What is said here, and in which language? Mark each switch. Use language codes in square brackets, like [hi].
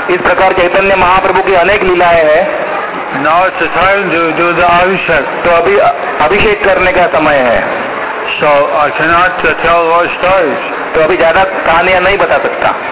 [hi] इस प्रकार चैतन्य महाप्रभु की अनेक लीलाएं हैं. [en] Now it's the time to do the abhishek. [hi] तो अभी अभिषेक करने का समय है. [en] So I cannot tell more stories. [hi] तो अभी ज़्यादा कहानियाँ नहीं बता सकता.